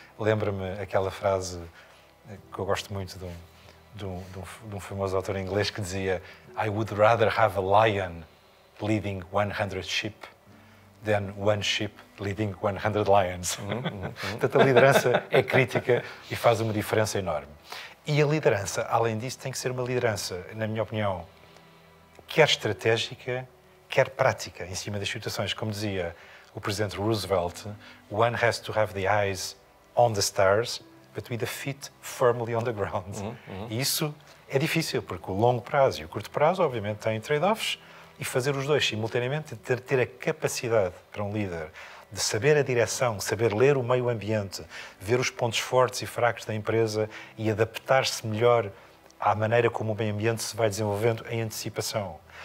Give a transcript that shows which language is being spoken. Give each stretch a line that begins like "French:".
Portuguese: Lembra-me aquela frase que eu gosto muito de um famoso autor inglês que dizia:
English: I would rather have a lion leading 100 sheep than one sheep leading 100 lions.
Portuguese: Portanto, a liderança é crítica e faz uma diferença enorme. E a liderança, além disso, tem que ser uma liderança, na minha opinião, quer estratégica, quer prática, em cima das situações. Como dizia o Presidente Roosevelt,
English: one has to have the eyes on the stars, but with the feet firmly on the ground.
Portuguese: E isso é difícil, porque o longo prazo e o curto prazo, obviamente, têm trade-offs, e fazer os dois simultaneamente, ter a capacidade para um líder de saber a direção, saber ler o meio ambiente, ver os pontos fortes e fracos da empresa e adaptar-se melhor à maneira como o meio ambiente se vai desenvolvendo em antecipação.